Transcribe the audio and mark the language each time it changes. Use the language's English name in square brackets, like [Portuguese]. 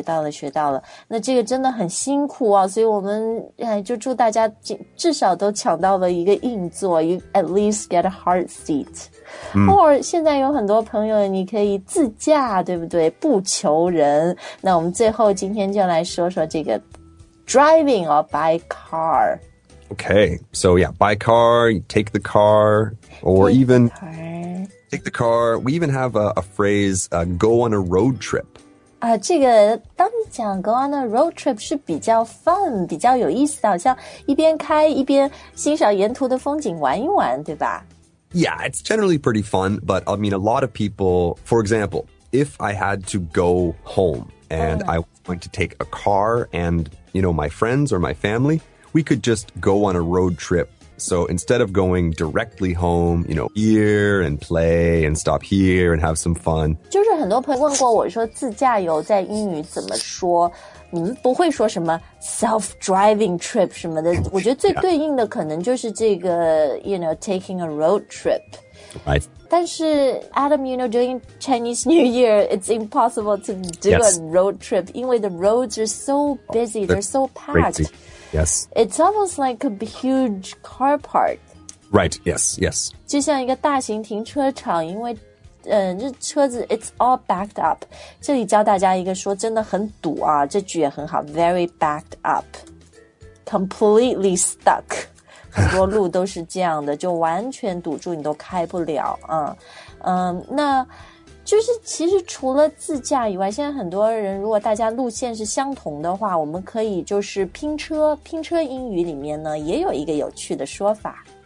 [Chinese] 学到了那这个真的很辛苦啊所以我们、就祝大家至少都抢到了一个硬座 [English] You at least get a hard seat、 [Chinese] Or 现在有很多朋友你可以自驾对不对不求人那我们最后今天就来说说这个 [English] Driving or by car. Okay, so yeah, by car, take the car, or even take the car. We even have a phrase, go on a road trip. [Chinese] 这个当你讲 [English] go on a road trip [Chinese] 是比较 fun, 比较有意思的，好像一边开一边欣赏沿途的风景玩一玩，对吧？ [English] Yeah, it's generally pretty fun, but I mean, a lot of people, for example, if I had to go home and I was going to take a car andYou know, my friends or my family, we could just go on a road trip. So instead of going directly home, you know, here and play and stop here and have some fun. [Chinese] 就是很多朋友问过我说自驾游在英语怎么说你们不会说什么 [English] self-driving trip [Chinese] 什么的我觉得最对应的可能就是这个 [English] you know, taking a road trip. Right. [Chinese] 但是 [English] Adam, you know, during Chinese New Year, it's impossible to do、a road trip. [Chinese] 因为 [English] the roads are so busy, they're so packed.、 Yes. It's almost like a huge car park. Right, yes. [Chinese] 就像一个大型停车场因为、这车子 [English] it's all backed up. [Chinese] 这里教大家一个说真的很堵啊这句也很好 [English] very backed up. Completely stuck. [Chinese] 很多路都是这样的就完全堵住你都开不了那就是其实除了自驾以外现在很多人如果大家路线是相同的话我们可以就是拼车拼车英语里面呢也有一个有趣的说法